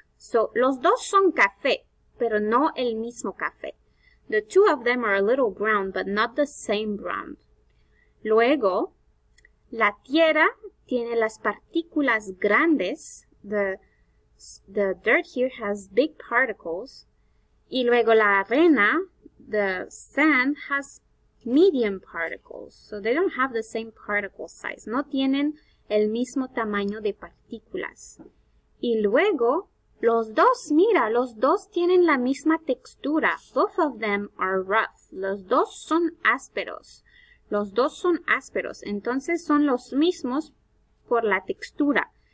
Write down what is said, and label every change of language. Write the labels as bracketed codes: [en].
[es] So, los dos son café, pero no el mismo café. [en] The two of them are a little brown, but not the same brown. [es] Luego, la tierra tiene las partículas grandes. [en] The dirt here has big particles. [es] Y luego la arena, [en] the sand, has medium particles. So they don't have the same particle size. [es] No tienen el mismo tamaño de partículas. Y luego, los dos, mira, los dos tienen la misma textura. [en] Both of them are rough. [es] Los dos son ásperos. Los dos son ásperos. Entonces son los mismos por la textura.